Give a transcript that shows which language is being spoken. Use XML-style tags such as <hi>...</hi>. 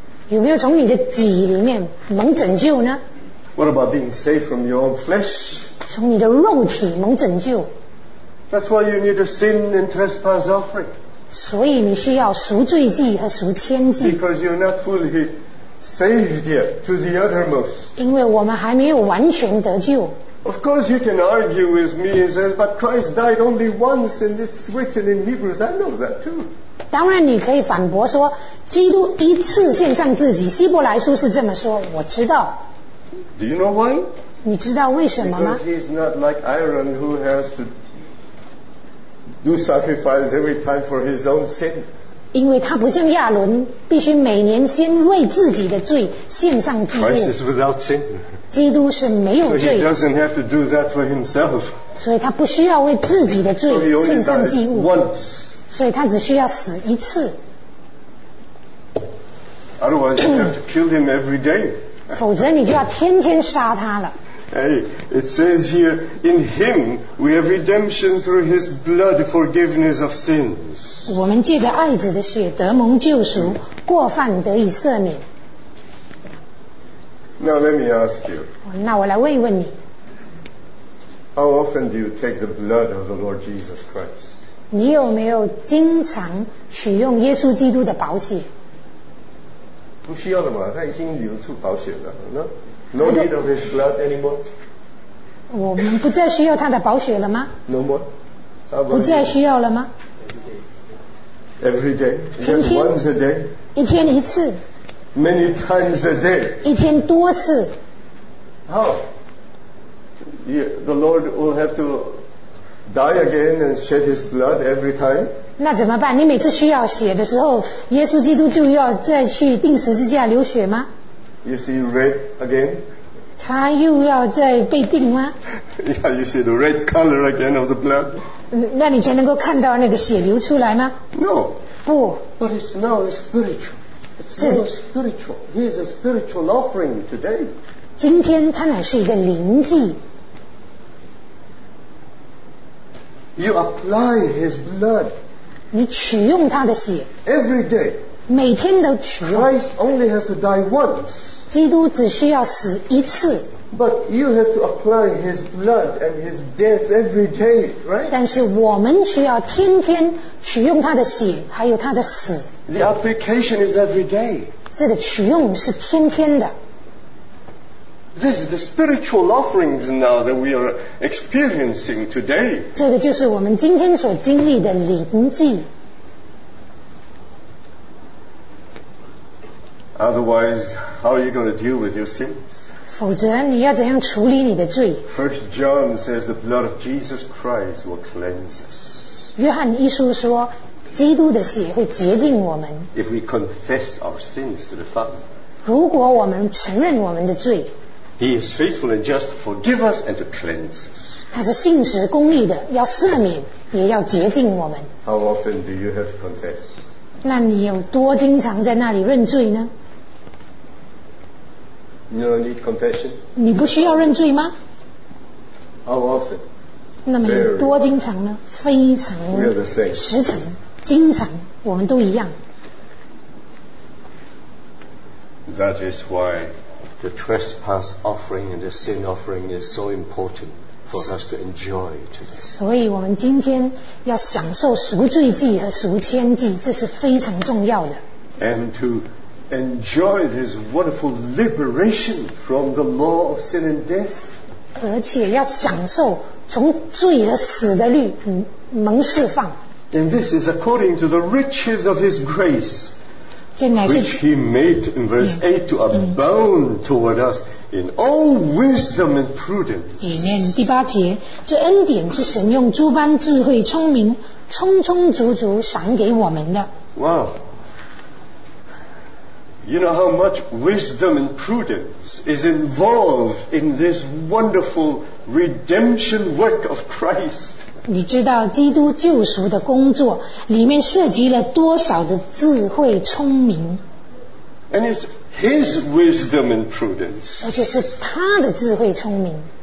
<zh>有没有从你的己里面蒙拯救呢</zh> <en>What about being saved from your own flesh?</en> <zh>从你的肉体蒙拯救。</zh> <en>That's why you need a sin and trespass offering.</en> <zh>所以你需要赎罪祭和赎愆祭。</zh> <en>Because you're not fully saved yet to the uttermost.</en> <zh>因为我们还没有完全得救。</zh> <en>Of course you can argue with me and says, but Christ died only once and it's written in Hebrews. I know that too.</en> <zh>当然你可以反驳说，基督一次献上自己，希伯来书是这么说，我知道。</zh> <en>Do you know why?</en> <zh>你知道为什么吗?</zh> <en>Because he's not like Aaron who has to do sacrifice every time for his own sin.</en> <zh>因为他不像亚伦，必须每年先为自己的罪献上祭物。</zh> <en>Christ is without sin.</en> <zh>基督是没有罪。</zh> <en>So he doesn't have to do that for himself.</en> <zh>所以他不需要为自己的罪献上祭物。</zh> <en>So he only died once.</en> <zh>所以他只需要死一次。</zh> <en>Otherwise, you have to kill him every day.</en> <zh>否则你就要天天杀他了。</zh> <en>Hey, it says here, in him we have redemption through his blood, forgiveness of sins.</en> <zh>我们借着爱子的血得蒙救赎，过犯得以赦免。</zh> <en>Now let me ask you.</en> <zh>那我来问一问你。</zh> <en>How often do you take the blood of the Lord Jesus Christ?</en> <zh>你有没有经常取用耶稣基督的宝血？不需要了嘛，他已经流出宝血了</zh> <en>no? no need of his blood anymore</en> <zh>我们不再需要他的宝血了吗</zh> <en>no more</en> <zh>不再需要了吗</zh> <en>every day just once a day</en> <zh>一天一次</zh> <en>many times a day</en> <zh>一天多次</zh> <en>how the Lord will have to die again and shed his blood every time</en> <zh>那怎么办？你每次需要血的时候，耶稣基督就要再去钉十字架流血吗</zh> <en>？You see red again？</en> <zh>他又要再被钉吗</zh> <en>？Yeah, you see the red color again of the blood。</en> <zh>那你才能够看到那个血流出来吗</zh> <en>？No。</en> <zh>不。</zh> <en>But it's now a spiritual. It's now spiritual. He is a spiritual offering today.</en> <zh>今天他乃是一个灵祭。</zh> <en>You apply his blood.</en> <zh>你取用他的血</zh> <en>Every day</en> <zh>每天都取用</zh> <en>Christ only has to die once</en> <zh>基督只需要死一次</zh> <en>But you have to apply his blood and his death every day, right?</en> <zh>但是我们需要天天取用他的血还有他的死</zh> <en>The application is every day</en> <zh>这个取用是天天的</zh> <en>This is the spiritual offerings now that we are experiencing today</en> <zh>这个就是我们今天所经历的灵祭</zh> <en>Otherwise, how are you going to deal with your sins?</en> <zh>否则你要怎样处理你的罪</zh> <en>First John says the blood of Jesus Christ will cleanse us</en> <zh>约翰一书说基督的血会洁净我们</zh> <en>If we confess our sins to the Father</en> <zh>如果我们承认我们的罪</zh> <en>He is faithful and just to forgive us and to cleanse us.</en> <zh>他是信实公义的，要赦免，也要洁净我们。</zh> <en>How often do you have to confess?</en> <zh>那你有多经常在那里认罪呢？</zh> <en>You don't need confession.</en> <zh>你不需要认罪吗？</zh> <en>How often?</en> <zh>那么多经常呢？非常。</zh> <en>We are the same.</en> <zh>时常，经常，我们都一样。</zh> <en>That is why. The trespass offering and the sin offering is so important for us to enjoy today.</en> <zh>所以我们今天要享受赎罪祭和赎愆祭，这是非常重要的。</zh> <en>And to enjoy this wonderful liberation from the law of sin and death.</en> <zh>而且要享受从罪和死的律蒙释放。</zh> <en>And this is according to the riches of His grace. Which he made in verse 8 to abound toward us in all wisdom and prudence.</en> <zh>里面第八节，这恩典是神用诸般智慧、聪明，充充足足赏给我们的。</zh> <en>Wow. You know how much wisdom and prudence is involved in this wonderful redemption work of Christ.</en> <zh>你知道基督救赎的工作里面涉及了多少的智慧聪明？</zh> <en>And it's His wisdom and prudence.</en> <zh>而且是他的智慧聪明。</zh>